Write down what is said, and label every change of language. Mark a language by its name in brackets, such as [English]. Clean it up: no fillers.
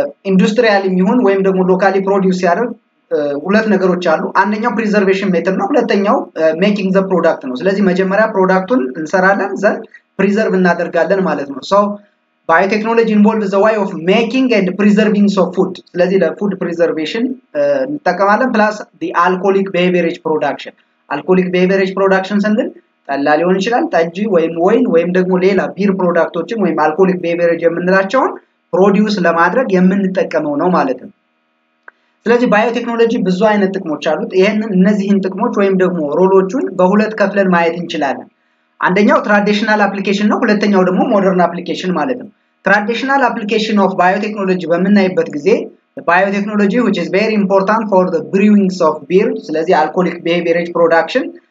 [Amharic] ኢንዱስትሪያል የሚሆን ወይም ደግሞ ሎካሊ ፕሮዲዩስ ያደርግ ሁለት ነገሮች አሉ። አንደኛው ፕሪዘርቬሽን ሜተድ ነው፣ ሁለተኛው ሜኪንግ ዘ ፕሮዳክት ነው። ስለዚህ መጀመሪያ ፕሮዳክቱን እንሰራለን ዘን ፕሪዘርቭ እናደርጋለን ማለት ነው። ሶ [English] biotechnology involves the way of making and preserving so food. ስለዚህ ለfood preservation [Amharic] እንጠቀማለን [English] plus the alcoholic beverage production. alcoholic beverage production [Amharic] ስንል ጠላ ሊሆን ይችላል፣ ጠጅ ወይም ወይን ወይም ደግሞ ሌላ ቢር ፕሮዳክቶችን ወይም alcoholic beverage የምንላቸውን produce ለማድረግ የምንጠቀመው ነው ማለት ነው። ስለዚህ biotechnology ብዙ አይነት ጥቅሞች አሉት። ይሄን እነዚህን ጥቅሞች ወይም ደግሞ ሮሎቹን በሁለት ከፍለን ማየት እንችላለን። አንደኛው ትራዲሽናል አፕሊኬሽን ነው፣ ሁለተኛው ደግሞ ሞደርን አፕሊኬሽን ማለት ነው። ትራዲሽናል አፕሊኬሽን ኦፍ ባዮቴክኖሎጂ በመናይበት ጊዜ ባዮቴክኖሎጂ [English] which is very important for the brewings of beer [Amharic] ስለዚህ አልኮሊክ ቢሄቪየሪጅ ፕሮዳክሽን